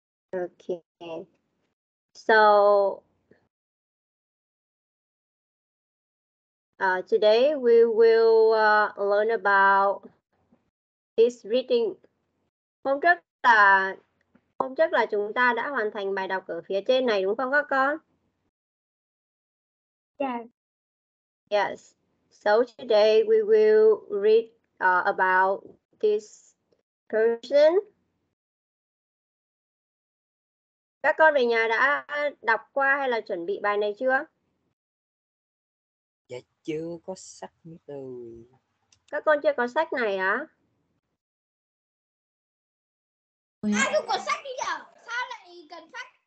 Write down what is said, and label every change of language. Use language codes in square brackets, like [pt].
[en] Okay. So, today we will learn about this reading. [vi] Hôm trước là chúng ta đã hoàn thành bài đọc ở phía trên này đúng không các con? [en] Yes. Yes. So today we will read about this person. [vi] Các con về nhà đã đọc qua hay là chuẩn bị bài này chưa? Dạ chưa có sách từ. Các con chưa có sách này á? Ai không có sách bây giờ? Sao lại cần sách?